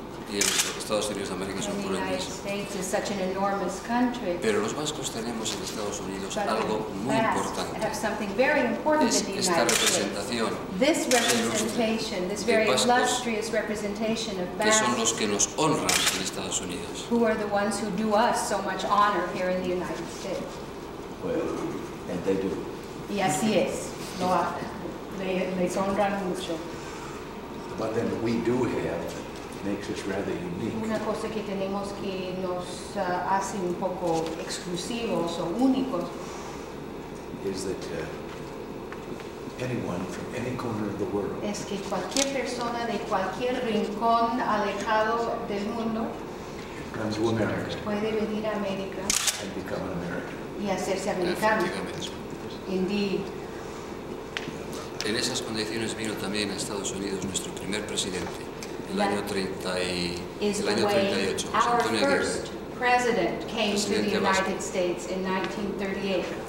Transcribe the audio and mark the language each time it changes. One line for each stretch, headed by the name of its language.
Spanish: Y en Estados Unidos de América es un pueblo inmenso. Pero los vascos tenemos en Estados Unidos algo muy importante. Es esta representación.
English: This representation, this very illustrious representation of Basque.
Spanish: Que son los que nos honran en Estados Unidos.
English: Who are the ones who do us so much honor here in the United States? And they do.
Spanish: Y así es. Lo hacen. Les honran mucho.
English: But then we do have. Makes us rather unique.
Spanish: Una cosa que tenemos que nos hace un poco exclusivos o únicos
English: is that anyone from any corner of the world
Spanish: es que cualquier persona de cualquier rincón alejado del mundo
English: comes to America
Spanish: puede venir a América
English: and become an American
Spanish: y hacerse americano.
English: Indeed.
Spanish: En esas condiciones vino también a Estados Unidos nuestro primer presidente. El año 38,
English: our first president came to the United States in 1938.